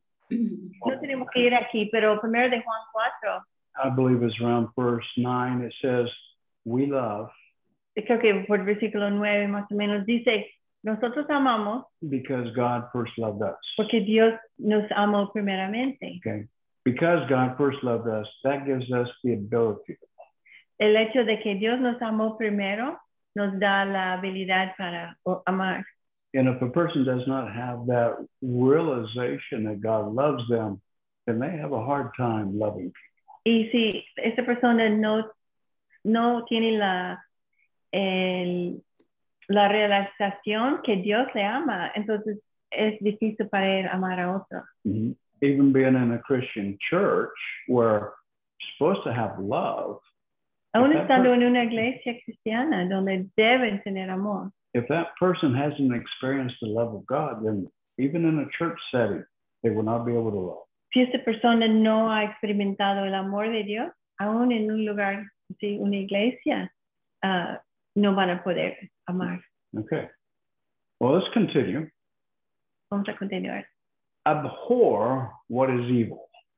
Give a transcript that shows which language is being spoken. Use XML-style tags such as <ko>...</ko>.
<es>No tenemos que ir aquí, pero primero de Juan 4.</es> <en>I believe it's around verse 9. It says, we love.</en> <es>Creo que por versículo 9 más o menos dice, nosotros amamos.</es> <en>Because God first loved us.</en> <es>Porque Dios nos amó primeramente.</es> <en>Okay. Because God first loved us, that gives us the ability.</en> <es>El hecho de que Dios nos amó primero nos da la habilidad para amar.</es> <en>And if a person does not have that realization that God loves them, then they have a hard time loving people.</en> <es>Y si esa persona no tiene la realización que Dios le ama, entonces es difícil para él amar a otro.</es> <en>Mm-hmm. Even being in a Christian church where you're supposed to have love,</en> <es>aún estando en una iglesia cristiana donde deben tener amor.</es> <en>If that person hasn't experienced the love of God, then even in a church setting, they will not be able to love.</en> <es>Si esa persona no ha experimentado el amor de Dios, aún en un lugar, sí, una iglesia, no van a poder amar.</es> <en>Okay. Well, let's continue.</en> <es>Vamos a continuar.</es> <en>Abhor what is evil.</en>